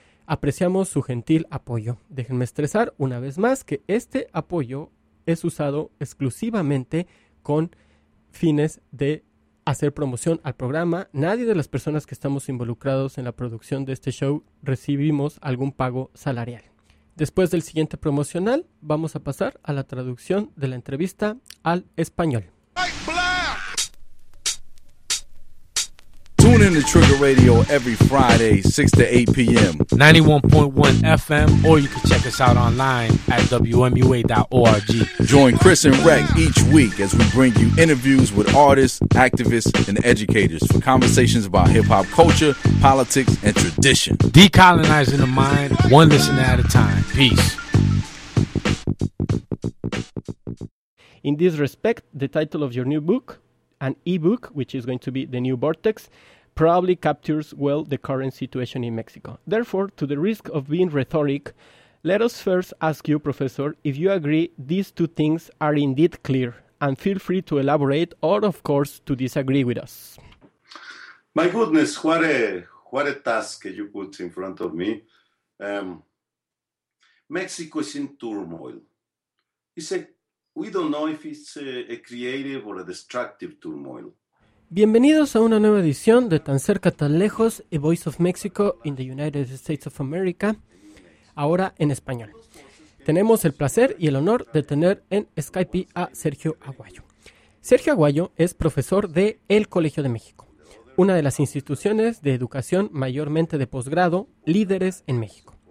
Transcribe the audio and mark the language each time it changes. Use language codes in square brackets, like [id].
[es] Apreciamos su gentil apoyo. Déjenme estresar una vez más que este apoyo es usado exclusivamente con fines de hacer promoción al programa. Nadie de las personas que estamos involucrados en la producción de este show recibimos algún pago salarial. Después del siguiente promocional, vamos a pasar a la traducción de la entrevista al español. [en] Tune in to Trigger Radio every Friday, 6 to 8 p.m. 91.1 FM, or you can check us out online at WMUA.org. Join Chris and Rec each week as we bring you interviews with artists, activists, and educators for conversations about hip-hop culture, politics, and tradition. Decolonizing the mind, one listener at a time. Peace. In this respect, the title of your new book, an e-book, which is going to be The New Vortex, probably captures well the current situation in Mexico. Therefore, to the risk of being rhetoric, let us first ask you, Professor, if you agree these two things are indeed clear, and feel free to elaborate or, of course, to disagree with us. My goodness, what a task you put in front of me. Mexico is in turmoil. We don't know if it's a creative or a destructive turmoil. [es] Bienvenidos a una nueva edición de Tan Cerca, Tan Lejos, A Voice of Mexico in the United States of America, ahora en español. Tenemos el placer y el honor de tener en Skype a Sergio Aguayo. Sergio Aguayo es profesor de El Colegio de México, una de las instituciones de educación mayormente de posgrado, líderes en México.